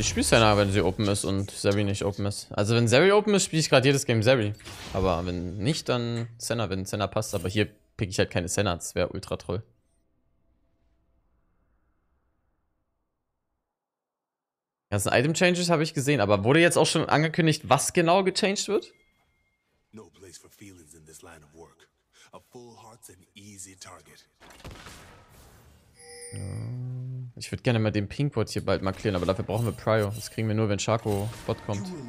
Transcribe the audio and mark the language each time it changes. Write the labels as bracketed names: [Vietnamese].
[German] Ich spiele Senna, wenn sie open ist und Zeri nicht open ist. Also wenn Zeri open ist, spiele ich gerade jedes Game Zeri. Aber wenn nicht, dann Senna, wenn Senna passt. Aber hier picke ich halt keine Senna, das wäre ultra toll. Die ganzen Item Changes habe ich gesehen, aber wurde jetzt auch schon angekündigt, was genau gechanged wird? [English] No place for feelings in this line of work. A full heart's an easy target. [German] Ich würde gerne mal den Pinkwort hier bald mal klären, aber dafür brauchen wir Pryo. Das kriegen wir nur, wenn Sharko Bot kommt.